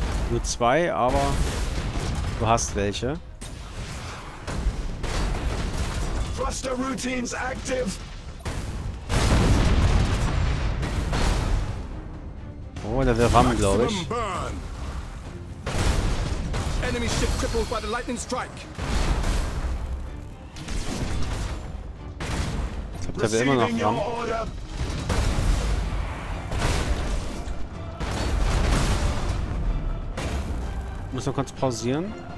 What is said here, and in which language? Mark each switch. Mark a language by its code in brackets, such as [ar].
[de] Nur 2, aber du hast welche. [en] Thruster Routines active. [de] Oh, da wäre Ramm, glaube ich. [en] Enemy ship crippled by the lightning strike. [de] Ich glaube, da wäre immer noch Ramm. Muss noch kurz pausieren.